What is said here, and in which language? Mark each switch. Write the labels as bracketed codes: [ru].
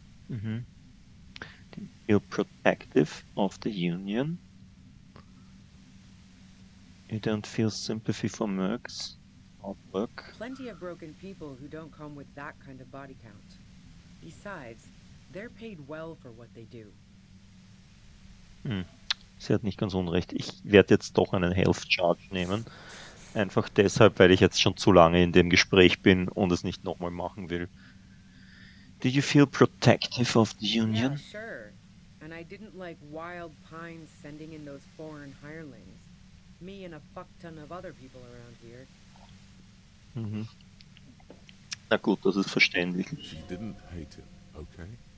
[en] Mm-hmm. Do you feel protective of the Union? You don't feel sympathy for mercs? Or work? Plenty of broken people who don't come with that kind of body count. Besides, they're paid well for what they do. [de] Hm. Sie hat nicht ganz unrecht. Ich werde jetzt doch einen Health Charge nehmen. Einfach deshalb, weil ich jetzt schon zu lange in dem Gespräch bin und es nicht nochmal machen will. [en] Do you feel protective of the Union? Yeah, sure. And I didn't like Wild Pines sending in those foreign hirelings. Me and a fuck ton of other people around here. [de] Mhm. Na gut, das ist verständlich. [en] She didn't hate him, okay?